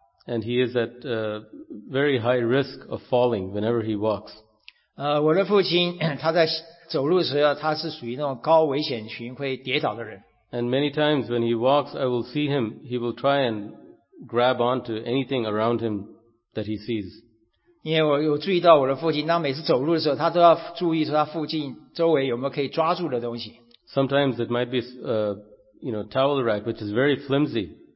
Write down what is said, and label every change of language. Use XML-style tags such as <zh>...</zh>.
<en>And he is at very high risk of falling whenever he walks.</en> <zh>我的父亲他在走路的时候，他是属于那种高危险群，会跌倒的人。</zh> <en>And many times when he walks, I will see him. He will try and grab onto anything around him that he sees.</en> <zh>因为我有注意到我的父亲，当每次走路的时候，他都要注意说他附近周围有没有可以抓住的东西。</zh> <en>Sometimes it might be you know, towel rack, which is very flimsy.</en>